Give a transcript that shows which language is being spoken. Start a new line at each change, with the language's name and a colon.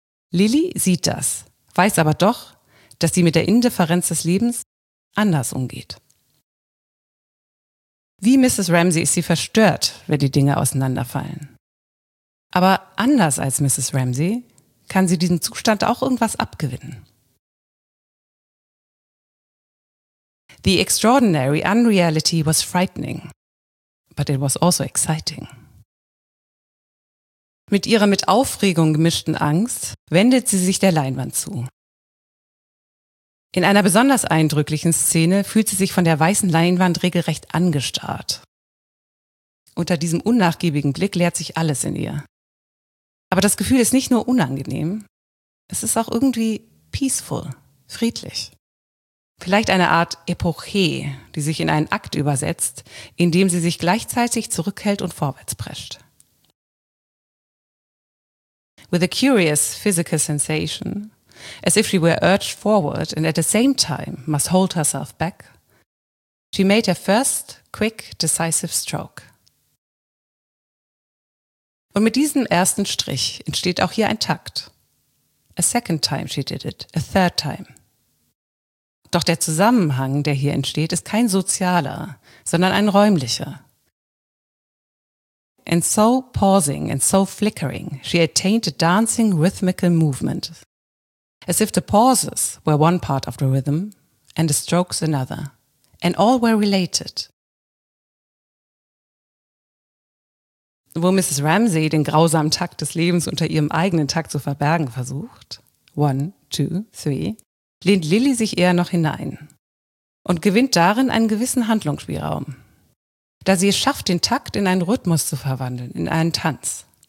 German: Lily sieht das, weiß aber doch, dass sie mit der Indifferenz des Lebens anders umgeht. Wie Mrs. Ramsey ist sie verstört, wenn die Dinge auseinanderfallen. Aber anders als Mrs. Ramsey kann sie diesem Zustand auch irgendwas abgewinnen.
English: The extraordinary unreality was frightening, but it was also exciting.
German: Mit ihrer mit Aufregung gemischten Angst wendet sie sich der Leinwand zu. In einer besonders eindrücklichen Szene fühlt sie sich von der weißen Leinwand regelrecht angestarrt. Unter diesem unnachgiebigen Blick leert sich alles in ihr. Aber das Gefühl ist nicht nur unangenehm, es ist auch irgendwie peaceful, friedlich. Vielleicht eine Art Epoche, die sich in einen Akt übersetzt, in dem sie sich gleichzeitig zurückhält und vorwärts prescht.
English: With a curious physical sensation, as if she were urged forward and at the same time must hold herself back, she made her first quick decisive stroke.
German: Und mit diesem ersten Strich entsteht auch hier ein Takt.
English: A second time she did it, a third time.
German: Doch der Zusammenhang, der hier entsteht, ist kein sozialer, sondern ein räumlicher.
English: And so pausing and so flickering, she attained a dancing rhythmical movement, as if the pauses were one part of the rhythm and the strokes another, and all were related.
German: Wo Mrs. Ramsey den grausamen Takt des Lebens unter ihrem eigenen Takt zu verbergen versucht,
English: one, two, three,
German: lehnt Lily sich eher noch hinein und gewinnt darin einen gewissen Handlungsspielraum. Da sie es schafft, den Takt in einen Rhythmus zu verwandeln, in einen Tanz.